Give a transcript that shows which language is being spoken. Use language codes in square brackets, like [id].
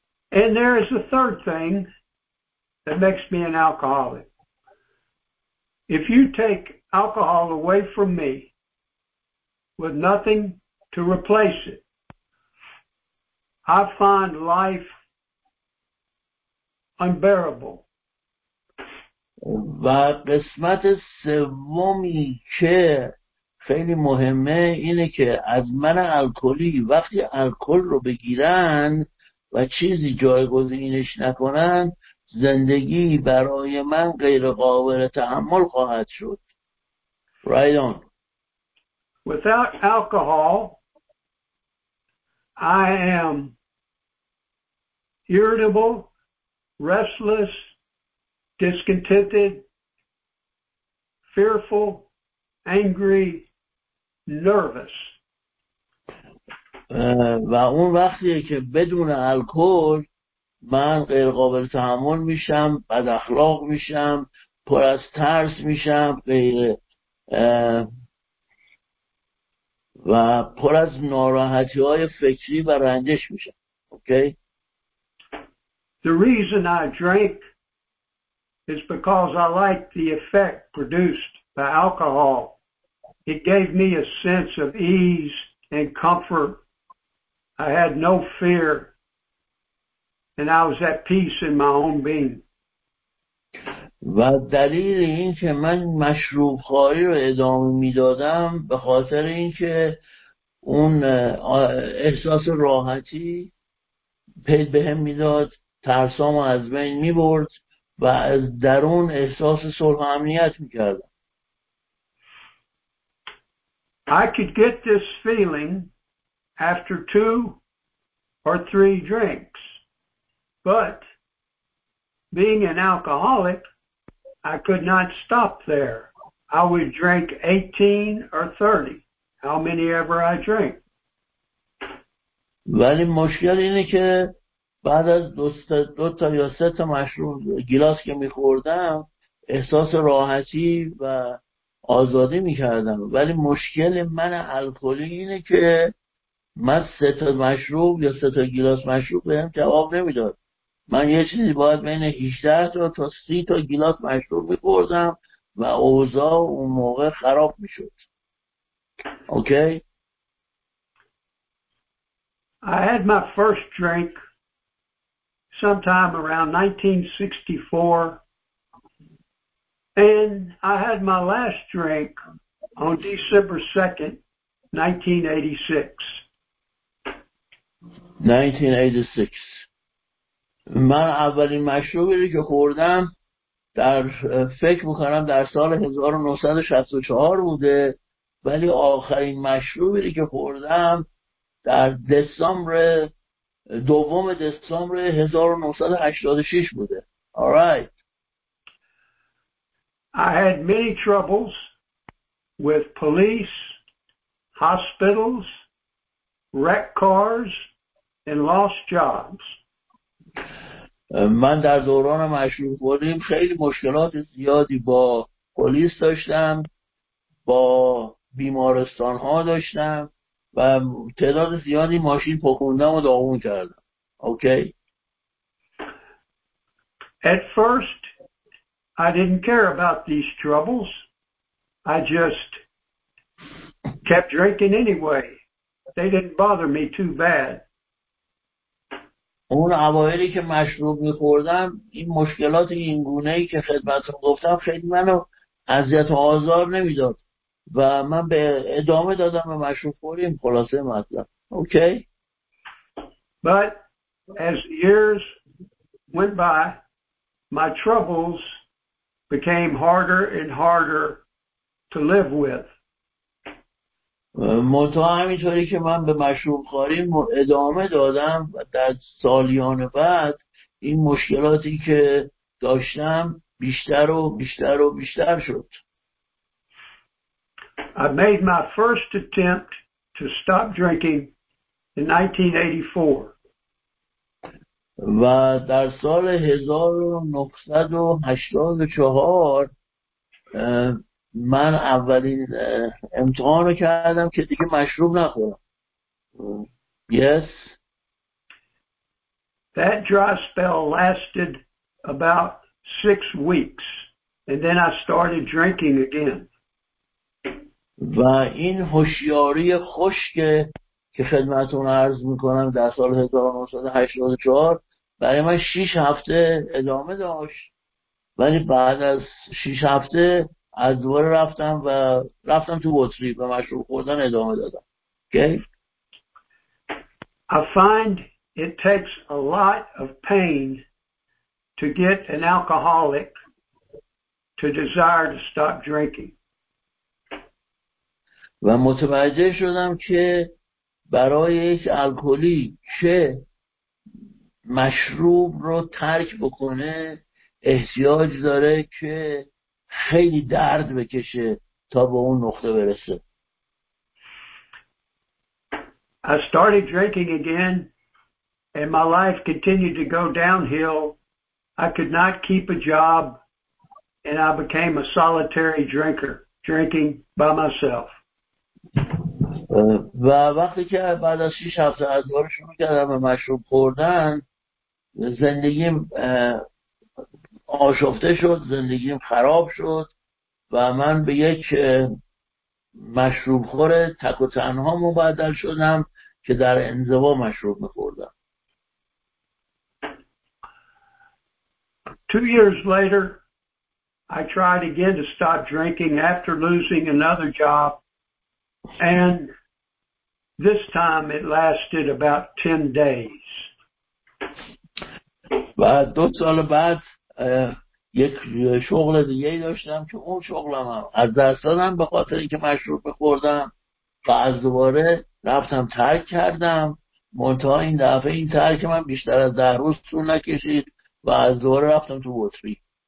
[en] And there is a third thing that makes me an alcoholic. If you take alcohol away from me with nothing to replace it, I find life unbearable. [fa] و قسمت سومی که خیلی مهمه اینه که از من الکلی وقتی الکل رو بگیرن و چیزی جایگزینش نکنن زندگی برای من غیر قابل تحمل خواهد شد. [en] Right on. Without alcohol, I am irritable, restless, discontented, fearful, angry, nervous. [fa] و اون وقتیه که بدون الکل من غیر قابل تحمل میشم، بد اخلاق میشم، پر از ترس میشم، غیر و پر از ناراحتی های فکری و رنجش میشم. [en] Okay? The reason I drink is because I like the effect produced by alcohol. It gave me a sense of ease and comfort. I had no fear, and I was at peace in my own being. [fa] و دلیل این که من مشروب خواهی رو ادامه میدادم به خاطر این که اون احساس راحتی پید بهم میداد، ترسام از بین میبرد و از درون احساس صلح و امنیت میکردم. [en] I could get this feeling after two or three drinks, but being an alcoholic, I could not stop there. I would drink 18 or 30, how many ever I drink. [fa] ولی مشکل اینه که بعد از دو تا یا سه تا مشروب گلاس که می‌خوردم احساس راحتی و آزادی می‌کردم، ولی مشکل من الکلی اینه که من سه تا مشروب یا سه تا گلاس مشروب بهم جواب نمیداد. من یه چیزی باید بین 18 تا تا 30 تا گلاس مشروب می‌خوردم و اوضاع اون موقع خراب می‌شد. [en] Okay? I had my first drink sometime around 1964, and I had my last drink on December 2nd, 1986. 1986. [fa] من اولین مشروبی که خوردم در فکر می‌کنم در سال 1964 بوده، ولی آخرین مشروبی که خوردم در دسامبر دوم دسامبر 1986 بوده. [en] All right. I had many troubles with police, hospitals, wrecked cars, and lost jobs. [fa] من در دوران مشروب خوریم خیلی مشکلات زیادی با پلیس داشتم، با بیمارستان ها داشتم و تعداد زیادی ماشین پکوندم و داغون کردم. [en] Okay. At first, I didn't care about these troubles. I just kept drinking anyway. They didn't bother me too bad. [fa] اون اوایلی که مشروب می‌خوردم، این مشکلات اینگونه‌ای که خدمتتون گفتم خیلی منو اذیت و آزار نمی‌داد و من به ادامه دادم به مشروب خوریم. خلاصه مطلب. [en] Okay. But as years went by, my troubles became harder and harder to live with. [fa] همینطوری که من به مشروب خوری ادامه دادم و در سالیان بعد این مشکلاتی که داشتم بیشتر و بیشتر و بیشتر شد. [en] I made my first attempt to stop drinking in 1984. [fa] و در سال 1984 من اولین امتحان رو کردم که دیگه مشروب نخورم. [en] Yes. That dry spell lasted about 6 weeks, and then I started drinking again. [fa] و این هوشیاری خشک که خدمتتون عرض میکنم در سال 1984 برای من 6 هفته ادامه داشت، ولی بعد از 6 هفته از دوباره رفتم و رفتم تو بطری و مشروب خوردن ادامه دادم. [en] Okay. I find it takes a lot of pain to get an alcoholic to desire to stop drinking. [fa] و متوجه شدم که برای یک الکلی چه مشروب رو ترک بکنه احتیاج داره که خیلی درد بکشه تا به اون نقطه برسه. [en] I started drinking again, and my life continued to go downhill. I could not keep a job, and I became a solitary drinker, drinking by myself. [fa] و وقتی که بعد از 6 هفته از دوباره شروع کردم به مشروب خوردن، زندگیم آشفته شد، زندگیم خراب شد و من به یک مشروب خور تک و تنها مبدل شدم که در انزوا مشروب می‌خوردم. [en] 2 years later I tried again to stop drinking after losing another job, and this time it lasted about 10 days. [fa] بعد 2 سال بعد یک شغل دیگه داشتم که اون شغلم هم از دست دادم به خاطر اینکه مشروب بخوردم و از دوباره رفتم ترک کردم. منتها این دفعه این ترک من بیشتر از 10 روز طول نکشید و از دوباره رفتم تو بطری.